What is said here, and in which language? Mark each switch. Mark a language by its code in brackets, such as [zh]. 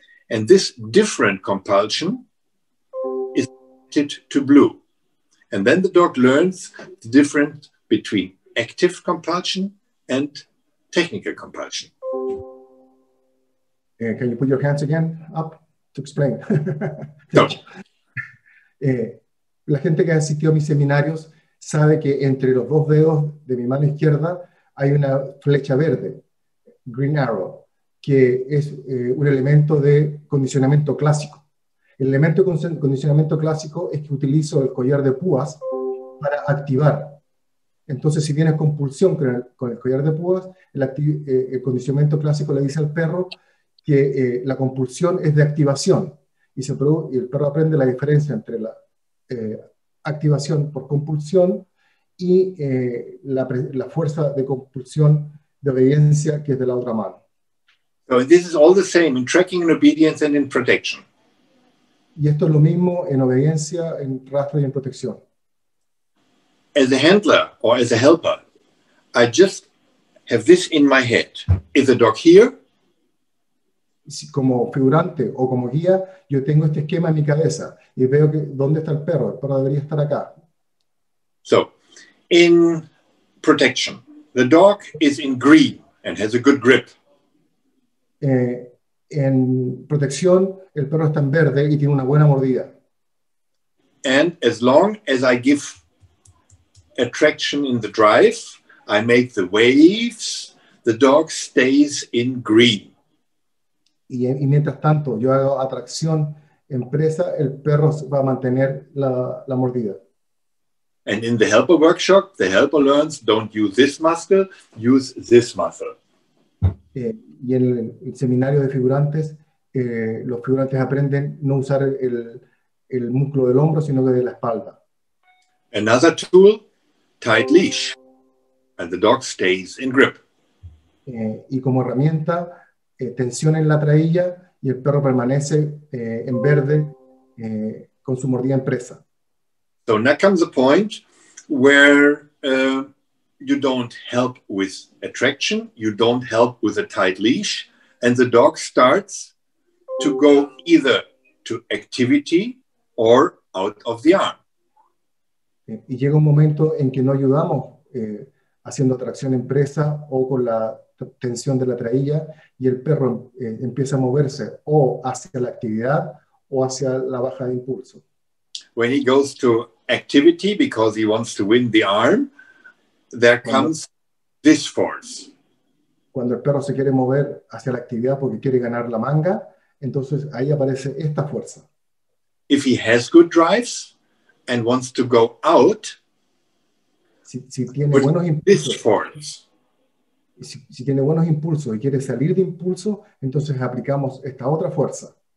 [en] And this different compulsion is connected to blue. And then the dog learns the difference between active compulsion and technical compulsion. Can you put your hands again up to explain? No. [es] La gente que ha asistido a mis seminarios sabe que entre los dos dedos de mi mano izquierda hay una flecha verde, [en] green arrow, [es] que es un elemento de condicionamiento clásico. El elemento de condicionamiento clásico es que utilizo el collar de púas para activar. Entonces, si tienes compulsión con el collar de púas, el condicionamiento clásico le dice al perro que la compulsión es de activación y se produce, y el perro aprende la diferencia entre la activación por compulsión y la fuerza de compulsión de obediencia que es de la otra mano. [en] So this is all the same in tracking and obedience and in protection. [es] Y esto es lo mismo en obediencia, en rastro y en protección. [en] As a handler or as a helper, I just have this in my head. Is the dog here? [es] Como figurante o como guía, yo tengo este esquema en mi cabeza y veo que dónde está el perro. El perro debería estar acá. [en] So, in protection, the dog is in green and has a good grip. [es] En protección, el perro está en verde y tiene una buena mordida. [en] And as long as I give attraction in the drive, I make the waves, the dog stays in green. [es] Y mientras tanto, yo hago atracción en presa, el perro va a mantener la mordida. [en] And in the helper workshop, the helper learns, don't use this muscle, use this muscle. [es] Y en el seminario de figurantes, los figurantes aprenden no usar el músculo del hombro, sino que de la espalda. [en] Another tool, tight leash. And the dog stays in grip. [es] Y como herramienta, tensión en la trailla y el perro permanece en verde con su mordida en presa. [en] So now comes the point where you don't help with attraction, you don't help with a tight leash, and the dog starts to go either to activity or out of the arm. [es] Y llega un momento en que no ayudamos haciendo atracción en presa o con la tensión de la trailla y el perro empieza a moverse o hacia la actividad o hacia la baja de impulso. [en] When he goes to activity because he wants to win the arm, there comes this force. [es] Cuando el perro se quiere mover hacia la actividad porque quiere ganar la manga, entonces ahí aparece esta fuerza. [en] If he has good drives and wants to go out, [es] si tiene buenos impulsos, [en] this force. [es] Si tiene buenos impulsos y quiere salir de impulso, entonces aplicamos esta otra fuerza.